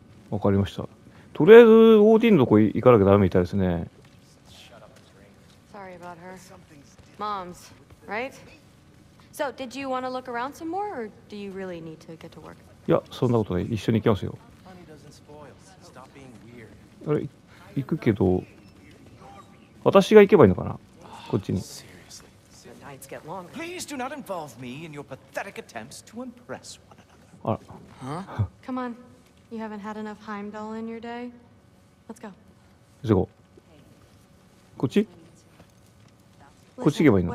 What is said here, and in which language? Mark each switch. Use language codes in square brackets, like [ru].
[ja] わかりました。とりあえず、オーディンのとこ行かなきゃダメみたいですね。 [en] Moms, right? So, did you want to look around some more, or do you really need to get to work? [ja] いや、そんなことない。一緒に行きますよ。あれ、行くけど、私が行けばいいのかな？こっちに。 [en] Please do not involve me in your pathetic attempts to impress one another. [ja] あら。 [en] Come on. You haven't had enough Heimdall in your day? Let's go. [ja] 行こう。こっち？こっち行けばいいの。